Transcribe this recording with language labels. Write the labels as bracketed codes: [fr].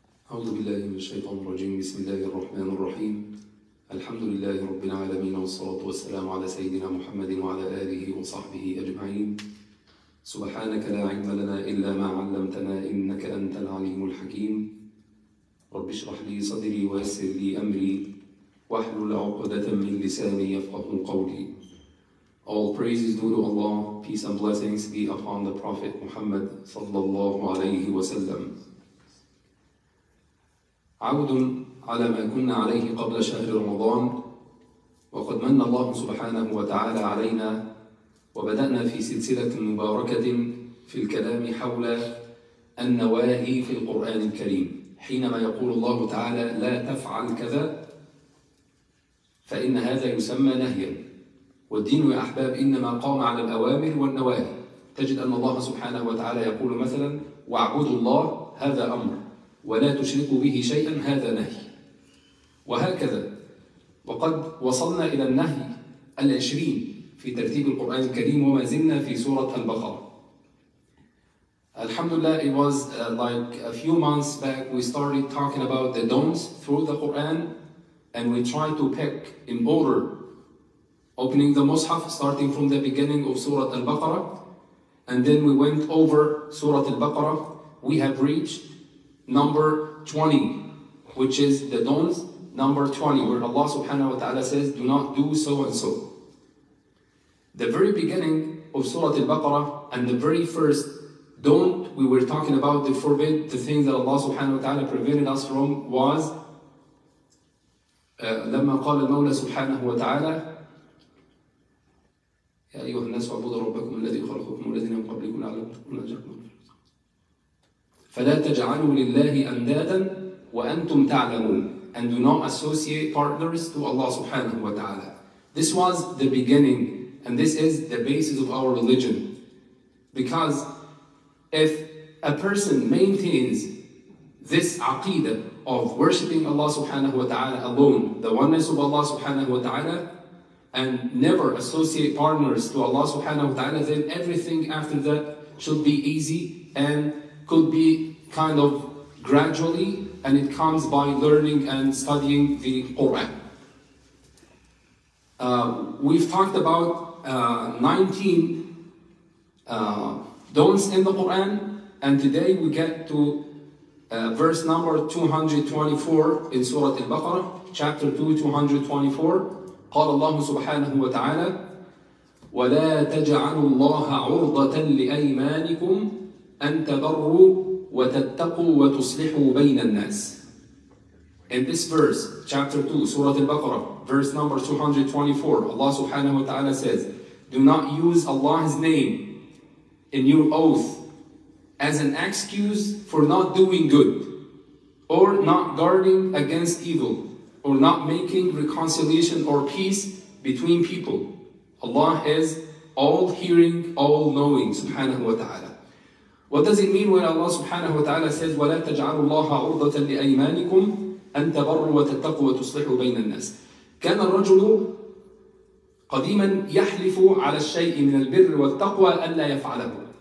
[ar] أعوذ بالله من الشيطان الرجيم. بسم الله الرحمن الرحيم. الحمد لله رب العالمين، والصلاة والسلام على سيدنا محمد وعلى آله وصحبه أجمعين. سبحانك لا علم لنا إلا ما علمتنا، إنك أنت العليم الحكيم. رب اشرح لي صدري ويسر لي أمري واحلل عقدة من لساني يفقه قولي. [en] All praises due to Allah, peace and blessings be upon the Prophet Muhammad [ar] صلى الله عليه وسلم. عود على ما كنا عليه قبل شهر رمضان، وقد من الله سبحانه وتعالى علينا وبدأنا في سلسلة مباركة في الكلام حول النواهي في القرآن الكريم. حينما يقول الله تعالى لا تفعل كذا، فإن هذا يسمى نهيا. والدين يا أحباب إنما قام على الأوامر والنواهي. تجد أن الله سبحانه وتعالى يقول مثلا واعبدوا الله، هذا أمر، ولا تشركوا به شيئا، هذا نهي، وهكذا. وقد وصلنا إلى النهي 20 في ترتيب القرآن الكريم، وما زلنا في سورة البقرة. الحمد لله، [en] it was like a few months back we started talking about the don'ts through the Quran, and we tried to pick in order opening the Mus'haf starting from the beginning of سورة البقرة, and then we went over سورة البقرة. We have reached number 20, which is the don'ts number 20, where Allah subhanahu wa ta'ala says do not do so and so. The very beginning of Surah Al-Baqarah and the very first don't we were talking about the forbid, the things that Allah subhanahu wa ta'ala prevented us from, was [ar] لما قال المولى سبحانه وتعالى يا أيها الناس اعبدوا ربكم الذي خلقكم والذين من قبلكم لعلكم تفلحون. فلا تجعلوا لله أندادا وأنتم تعلمون. [en] And do not associate partners to Allah subhanahu wa ta'ala. This was the beginning, and this is the basis of our religion. Because if a person maintains this aqidah of worshipping Allah subhanahu wa ta'ala alone, the oneness of Allah subhanahu wa ta'ala, and never associate partners to Allah subhanahu wa ta'ala, then everything after that should be easy and could be kind of gradually, and it comes by learning and studying the Quran. We've talked about 19 don'ts in the Quran, and today we get to verse number 224 in Surah Al-Baqarah, chapter 2, 224. [ar] قال الله سبحانه وتعالى ولا تجعلوا الله عرضة لأيمانكم أن تبروا وتتقوا وتصلحوا بين الناس. [en] In this verse, chapter 2, Surah Al-Baqarah, verse number 224, Allah subhanahu wa ta'ala says, do not use Allah's name in your oath as an excuse for not doing good, or not guarding against evil, or not making reconciliation or peace between people. Allah is all-hearing, all-knowing, subhanahu wa ta'ala. What does it mean when Allah subhanahu wa ta'ala says, [ar] وَلَا تَجْعَلُوا اللَّهَ عُرْضَةً لِأَيْمَانِكُمْ أَنْ تَبَرُّوا وَتَتَّقُوا وَتُصْلِحُوا بَيْنَ النَّاسِ. كان الرجل قديما يحلف على الشيء من البر والتقوى ألا يفعله.